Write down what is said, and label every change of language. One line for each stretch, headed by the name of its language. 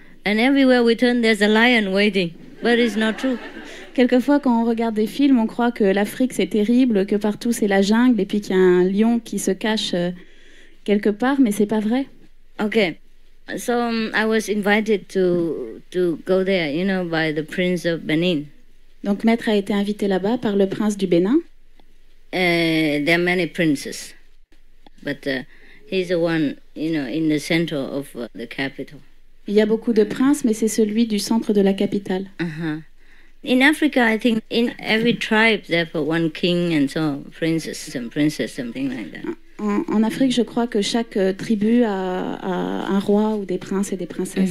English: And everywhere we turn, there's a lion waiting. But it's not true.
French: Quelquefois, quand on regarde des films, on croit que l'Afrique, c'est terrible, que partout, c'est la jungle, et puis qu'il y a un lion qui se cache quelque part, mais ce n'est pas vrai.
English: Ok. So, I was invited to go there, you know, by the Prince of Benin.
French: Donc, Maître a été invité là-bas par le prince du Bénin.
English: There are many princes, but he's the one, you know, in the center of the capital.
French: Il y a beaucoup de princes, mais c'est celui du centre de la capitale.
English: In Africa, I think in every tribe there are one king and so princes and princess something like that.
French: En Afrique, je crois que chaque tribu a un roi ou des princes et des princesses.